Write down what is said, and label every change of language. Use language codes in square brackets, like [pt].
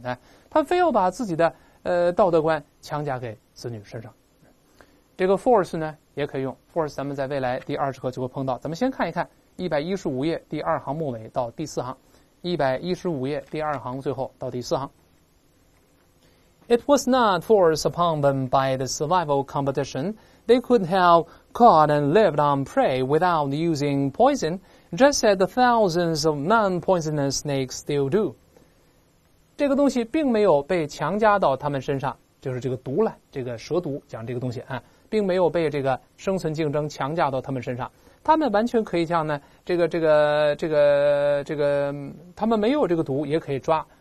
[zh] 哎，他非要把自己的道德观强加给子女身上。这个 force 呢也可以用 force， 咱们在未来第二十课就会碰到。咱们先看一看115页第二行末尾到第四行，115页第二行最后到第四行。 [en] It was not forced upon them by the survival competition. They could have caught and lived on prey without using poison, just as the thousands of non-poisonous snakes still do. [zh] 这个东西并没有被强加到他们身上，就是这个毒了，这个蛇毒讲这个东西啊，并没有被这个生存竞争强加到他们身上。他们完全可以像呢，这个，他们没有这个毒也可以抓。